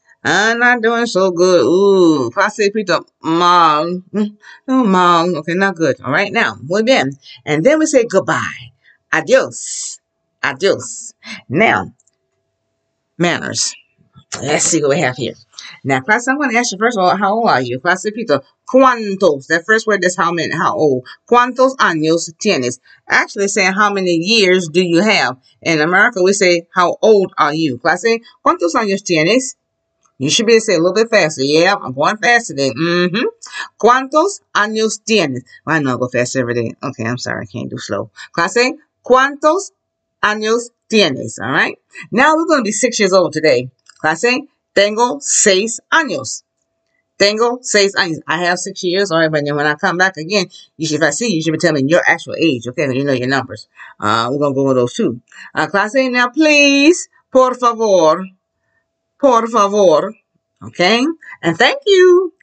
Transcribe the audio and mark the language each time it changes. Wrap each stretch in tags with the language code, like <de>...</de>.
<en>I'm not doing so good, ooh, clase pito,</en> <es>mal, no mal,</es> <en>okay, not good, all right, now,</en> <es>muy bien,</es> <en>and then we say goodbye, adios, now, manners, let's see what we have here, now, class, I'm going to ask you, first of all, how old are you, clase pito?</en> <es>¿Cuántos?</es> <en>That first word is how many, how old.</en> <es>¿Cuántos años tienes?</es> <en>Actually saying how many years do you have. In America, we say, how old are you?</en> <es>Clase, ¿cuántos años tienes?</es> <en>You should be able to say a little bit faster. Yeah, I'm going fast today. Mm-hmm.</en> <es>¿Cuántos años tienes?</es> <en>Well, I know I go fast every day. Okay, I'm sorry. I can't do slow.</en> <es>Clase, ¿cuántos años tienes?</es> <en>All right. Now, we're going to be 6 years old today.</en> <es>Clase, tengo seis años. Tengo seis años.</es> <en>I have 6 years. All right, but then when I come back again, you should, if I see you, you should be telling me your actual age. Okay, you know your numbers. We're going to go with those two. Clase, now please,</en> <es>por favor. Por favor.</es> <en>Okay? And thank you.</en>